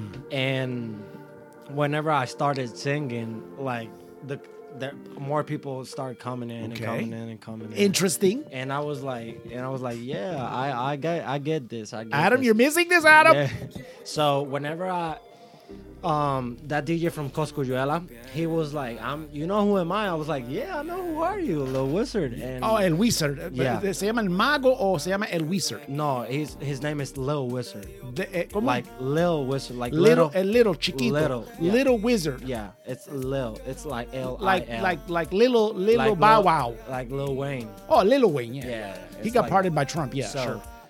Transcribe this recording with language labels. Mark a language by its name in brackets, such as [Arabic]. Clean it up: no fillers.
[English] And whenever I started singing, like there more people start coming in. Okay. And coming in and coming in. Interesting. And I was like, yeah, I get this. I get Adam, this. You're missing this, Adam. Yeah. So whenever I that DJ from Cosculluela, he was like, You know who am I? I was like, yeah, I know, who are you? Lil Wizard. El Wizard. Yeah. [Spanish] Se llama El Mago or se llama El Wizard? [English] No, his name is Lil Wizard. Lil Wizard. Like little. A little chiquito. Little. Yeah. Little Wizard. Yeah, it's Lil. It's like L-I-L. Like little like Bow Wow. Like Lil Wayne. Oh, Lil Wayne, yeah. Yeah. He got like, pardoned by Trump, yeah, so, sure.